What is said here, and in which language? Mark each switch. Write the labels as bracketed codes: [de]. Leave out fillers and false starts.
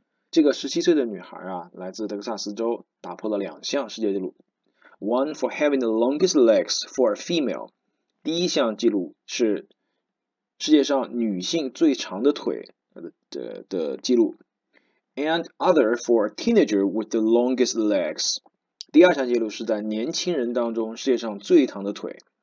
[zh] 这个17岁的女孩啊，来自德克萨斯州，打破了两项世界纪录。 [en] One for having the longest legs for a female. [zh] 第一项纪录是世界上女性最长的腿的纪录。 [en] And other for a teenager with the longest legs. [zh] 第二项记录是在年轻人当中世界上最长的腿。